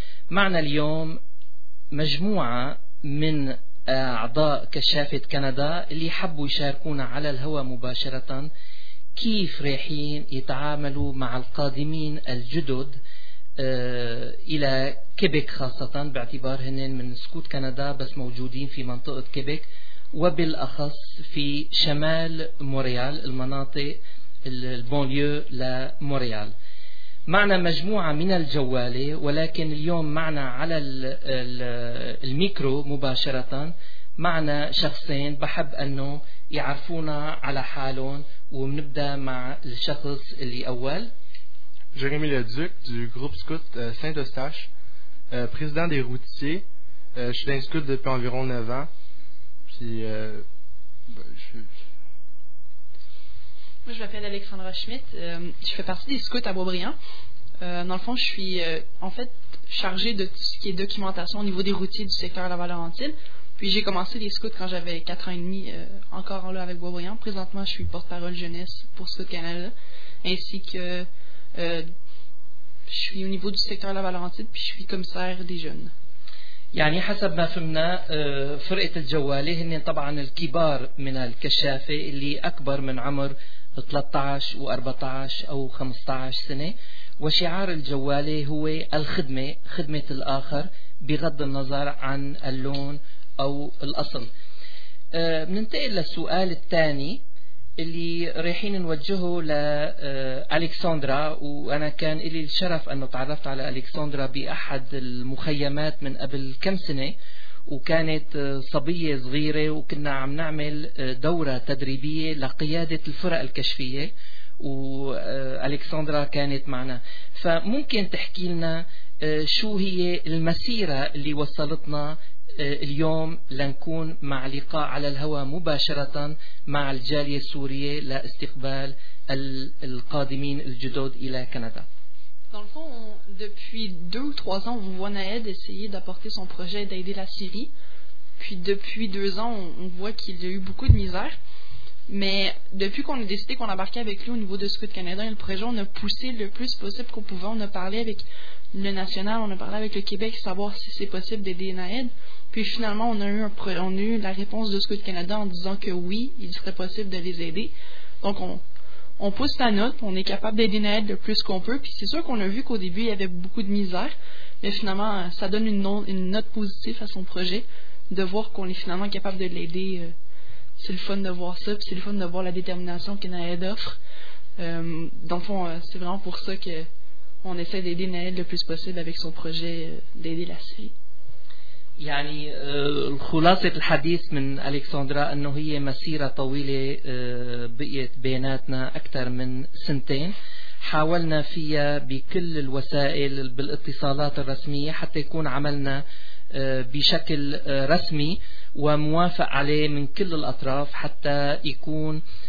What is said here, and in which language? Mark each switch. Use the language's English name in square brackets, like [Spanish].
[Arabic] معنا اليوم مجموعة من أعضاء كشافة كندا اللي حبوا يشاركونا على الهواء مباشرة كيف رايحين يتعاملوا مع القادمين الجدد إلى كيبك، خاصة باعتبار هنين من سكوت كندا بس موجودين في منطقة كيبك وبالأخص في شمال موريال، المناطق البونليو لموريال. معنا مجموعة من الجوالة، ولكن اليوم معنا على الميكرو مباشرة معنا شخصين بحب أنه يعرفونا على حالهم، ومنبدأ مع الشخص اللي أول. [French] Jérémy Leduc du groupe scout Saint-Eustache, président des routiers. Je suis un scout depuis environ 9 ans. Puis, Moi, je m'appelle Alexandra Schmitt. Je fais partie des scouts à Boisbriand. Dans le fond, je suis en fait chargée de tout ce qui est documentation au niveau des routiers du secteur Laval-Laurentine. Puis j'ai commencé les scouts quand j'avais 4 ans et demi, encore là avec Boisbriand. Présentement, je suis porte-parole jeunesse pour Scout Canada, ainsi que je suis au niveau du secteur de la Valentine puis je suis commissaire des jeunes. [Arabic] يعني حسب ما فهمنا فرقة الجوالي هن طبعا الكبار من الكشافة اللي أكبر من عمر 13 و 14 أو 15 سنة، وشعار الجوالي هو الخدمة، خدمة الآخر بغض النظر عن اللون أو الأصل. بننتقل للسؤال الثاني اللي رايحين نوجهه لألكسندرا، وأنا كان لي الشرف أنه تعرفت على ألكسندرا بأحد المخيمات من قبل كم سنة، وكانت صبية صغيرة وكنا عم نعمل دورة تدريبية لقيادة الفرق الكشفية وألكسندرا كانت معنا. فممكن تحكي لنا شو هي المسيرة اللي وصلتنا اليوم لنكون مع لقاء على الهواء مباشرة مع الجالية السورية لاستقبال القادمين الجدد إلى كندا؟ [French] Dans le fond, depuis deux ou trois ans, on voit Naed essayer d'apporter son projet d'aider la Syrie. Puis depuis deux ans, on voit qu'il y a eu beaucoup de misère. Mais depuis qu'on a décidé qu'on embarquait avec lui au niveau de Scout Canada, le projet, on a poussé le plus possible qu'on pouvait. On a parlé avec le national, on a parlé avec le Québec, savoir si c'est possible d'aider Naed. Puis finalement, on a eu la réponse de Scout Canada en disant que oui, il serait possible de les aider. Donc on pousse la note, on est capable d'aider Naed le plus qu'on peut. Puis c'est sûr qu'on a vu qu'au début, il y avait beaucoup de misère. Mais finalement, ça donne une note positive à son projet de voir qu'on est finalement capable de l'aider. C'est le fun de voir ça, puis c'est le fun de voir la détermination que Naed offre. Dans le fond, c'est vraiment pour ça que on essaie d'aider Naed le plus possible avec son projet d'aider la Syrie. [Arabic] يعني خلاصة الحديث من ألكسندرا أنه هي مسيرة طويلة بقيت بيناتنا أكثر من سنتين، حاولنا فيها بكل الوسائل بالاتصالات الرسمية حتى يكون عملنا بشكل رسمي وموافق عليه من كل الأطراف حتى يكون